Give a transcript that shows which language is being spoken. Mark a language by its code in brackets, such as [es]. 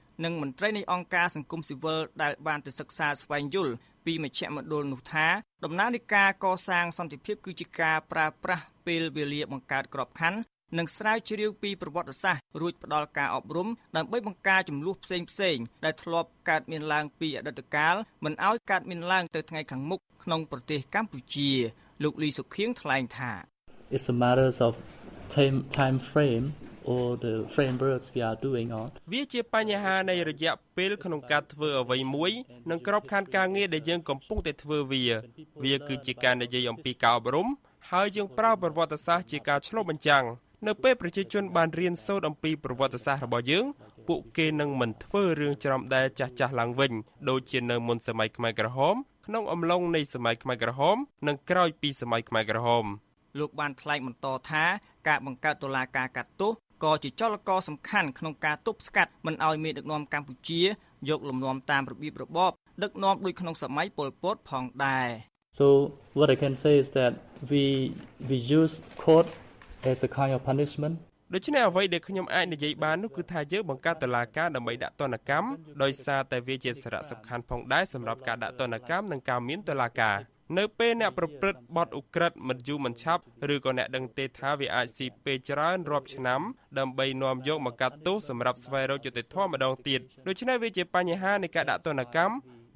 [km] និងមន្ត្រីនៃអង្គការសង្គមស៊ីវិលដែលបានទៅសិក្សាស្វែងយល់ពីមជ្ឈមណ្ឌលនោះថាដំណើរនៃការកសាងសន្តិភាពគឺជាការប្រើប្រាស់ពេលវេលាបង្កើតក្របខ័ណ្ឌនិងស្រាវជ្រាវពីប្រវត្តិសាស្ត្ររួចផ្ដល់ការអប់រំដើម្បីបង្ការចំនួនផ្សេងផ្សេងដែលធ្លាប់កើតមានឡើងពីអតីតកាលមិនឲ្យកើតមានឡើងទៅថ្ងៃខាងមុខក្នុងប្រទេសកម្ពុជាលោកលីសុខៀងថ្លែងថា [en] It's a matter of time frame or the frameworks we are doing on [km] វាជាបញ្ហានៃរយៈពេលក្នុងការធ្វើអ្វីមួយនិងក្របខណ្ឌការងារដែលយើងកំពុងតែធ្វើវាគឺជាការនិយាយអំពីការអប់រំហើយយើងប្រើប្រវត្តិសាស្ត្រជាការឆ្លុះបញ្ចាំងនៅពេលប្រជាជនបានរៀនសូត្រអំពីប្រវត្តិសាស្ត្ររបស់យើងពួកគេនឹងមិនធ្វើរឿងច្រំដែលចាស់ៗឡើងវិញដូចជានៅមុនសម័យខ្មែរក្រហមក្នុងអំឡុងនៃសម័យខ្មែរក្រហមនិងក្រោយពីសម័យខ្មែរក្រហម លោកបានថ្លែងបន្តថាការបង្កើតតុលាការកាត់ទោសក៏ជាចលករសំខាន់ក្នុងការទប់ស្កាត់មិនឲ្យមានដឹកនាំកម្ពុជាយកលំនាំតាមរបៀបរបបដឹកនាំដូចក្នុងសម័យប៉ុលពតផងដែរ [en] So what I can say is that we use court as a kind of punishment [km] ដូច្នេះអ្វីដែលខ្ញុំអាចនិយាយបាននោះគឺថាយើងបង្កើតតុលាការដើម្បីដាក់ទណ្ឌកម្មដោយសារតែវាជាសារៈសំខាន់ផងដែរសម្រាប់ការដាក់ទណ្ឌកម្មនិងការមានតុលាការនៅពេលអ្នកប្រព្រឹត្តបទឧក្រិដ្ឋមិនយូរមិនឆាប់ឬក៏អ្នកដឹងទេថាវាអាចស៊ីពេលច្រើនរាប់ឆ្នាំដើម្បីនាំយកមកកាត់ទោសសម្រាប់ស្វែងរកយុត្តិធម៌ម្ដងទៀតដូច្នេះវាជាបញ្ហានៃការដាក់ទណ្ឌកម្ម